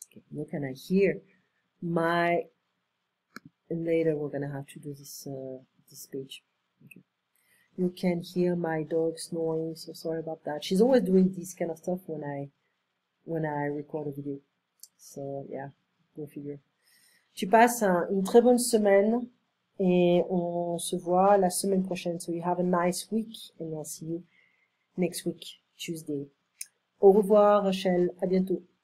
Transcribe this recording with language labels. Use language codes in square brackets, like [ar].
[en] Look, and I hear my, and later we're going to have to do this speech. Okay. You can hear my dog snoring, so sorry about that. She's always doing this kind of stuff when I record a video. So, yeah, go figure. [fr] Tu passes une très bonne semaine, et on se voit la semaine prochaine. [en] So you have a nice week, and I'll see you next week, Tuesday. [fr] Au revoir, Rachel. À bientôt.